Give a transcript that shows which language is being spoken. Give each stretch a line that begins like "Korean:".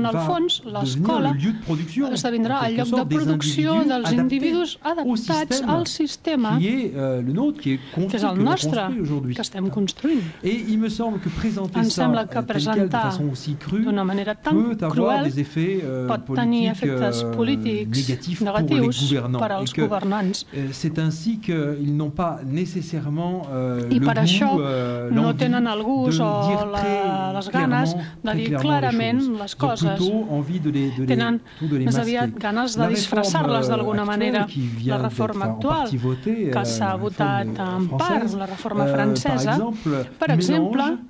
Catalan: En el fons, l'escola esdevindrà el lloc de producció dels individus adaptats al sistema que és el nostre, que estem construint. Em sembla que presentar d'una manera tan cruel pot tenir efectes polítics negatius per als governants.
French: C'est ainsi qu'ils n'ont pas nécessairement
Catalan: i per això no tenen el gust o les ganes de dir clarament les coses. Tenen més aviat ganes de disfressar-les d'alguna manera. La reforma actual que s'ha votat en part, la reforma francesa, per exemple,